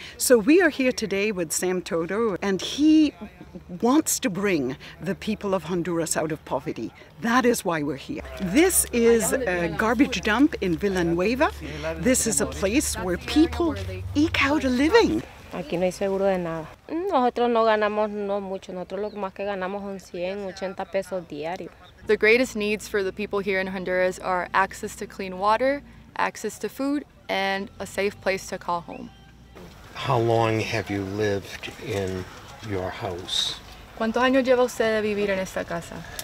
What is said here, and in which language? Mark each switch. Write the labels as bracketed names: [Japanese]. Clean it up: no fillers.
[English] So we are here today with Sam Toto, and he wants to bring the people of Honduras out of poverty. That is why we're here. This is a garbage dump in Villanueva. This is a place where people eke out a living. [Spanish] Aquí no hay seguro de nada. Nosotros no ganamos no mucho. Nosotros lo más que ganamos son 180 pesos diarios. [English] The greatest needs for the people here in Honduras are access to clean water, access to food, and a safe place to call home. How long have you lived in your house? [Spanish] ¿Cuántos años lleva usted de vivir en esta casa?